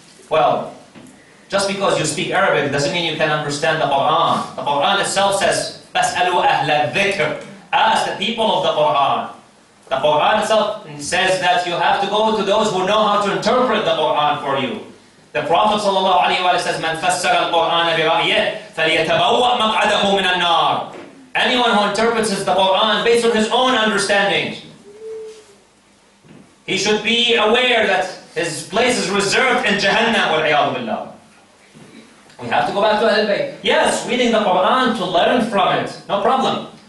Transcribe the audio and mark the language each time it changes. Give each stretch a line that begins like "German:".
English: Well, just because you speak Arabic doesn't mean you can understand the Quran. The Quran itself says,
Arabic: فَاسْأَلُوا أَهْلَ الذِّكْرِ.
English: Ask the people of the Quran. The Quran itself says that you have to go to those who know how to interpret the Quran for you. The Prophet ﷺ says,
Arabic: مَنْ فَسَّرَ الْقُرْآنَ بِرَأْيِهِ فَلْيَتَبَوَّأْ مَقْعَدَهُ مِنَ النَّارِ.
English: Anyone who interprets the Quran based on his own understanding, he should be aware that his place is reserved in Jahannam,
Arabic: وَالْعِيَاذُ بِاللَّهِ.
English: We have to go back to Ahlul Bayt. Yes, reading the Quran to learn from it, no problem.